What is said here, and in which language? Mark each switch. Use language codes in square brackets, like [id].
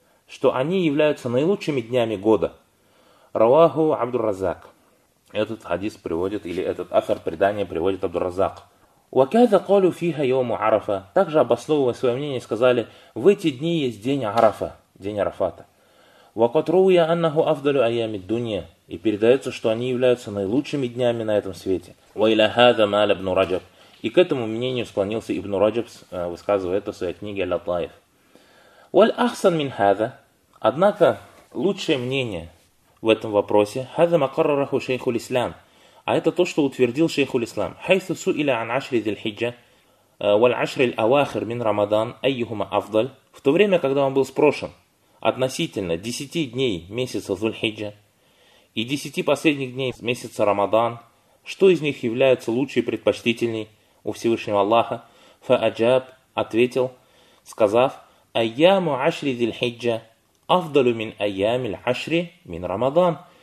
[ru] Что они являются наилучшими днями года. [ar] رَوَاهُ عَبْدُ الرَّزَّاقُ. [ru] Этот хадис приводит, или этот афер предания приводит Абдур-Разак. [ar] وَكَذَا قَالُوا فِيهَ يَوْمُ عَرَفَ. [ru] Также обосновывая свое мнение, сказали, в эти дни есть день Арафа, день Арафата. [ar] وَقَدْ رُوِيَ أَنَّهُ أَفْضَلُ أَيَّامِ الدُّنْيَا. [ru] И передается, что они являются наилучшими днями на этом свете. [ar] وَإِلَى هَذَا مَالَ ابْنُ رَجَبْ. [ru] И к этому мнению склонился Ибн Раджаб, высказывая это в своей книге «Ал-Латаиф». [ar] وَالْأَحْسَنْ مِنْ هَذَا. [ru] Однако лучшее мнение в этом вопросе [ar] هَذَا مَقَرَّرَهُ شَيْخُ الْإِسْلَامِ. [ru] А это то, что утвердил шейх ул-Ислам. [ar] حيث سئل عن عشر ذي الحجة والعشر الأواخر من رمضان أيهما أفضل. [ru] В то время, когда он был спрошен относительно 10 дней месяца Зульхиджа и 10 последних дней месяца Рамадан, что из них является лучше и предпочтительней у Всевышнего Аллаха, [ar] فأجاب, [ru] ответил, сказав, [ar] أيام عشر ذي الحجة أفضل من أيام العشر من رمضان.